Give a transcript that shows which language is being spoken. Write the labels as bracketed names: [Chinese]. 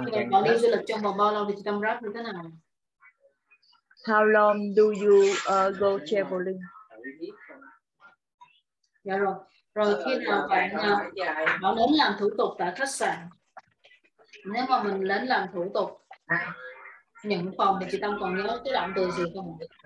[Vietnamese] Bạn đi du lịch trong vòng bao lâu thì chị đang rap như thế nào? [English] How long do you go traveling? [Vietnamese] Dạ rồi. Rồi khi nào bạn bạn đến làm thủ tục tại khách sạn? Nếu mà mình đến làm thủ tục những phòng thì chị Tâm còn nhớ cái động từ gì không?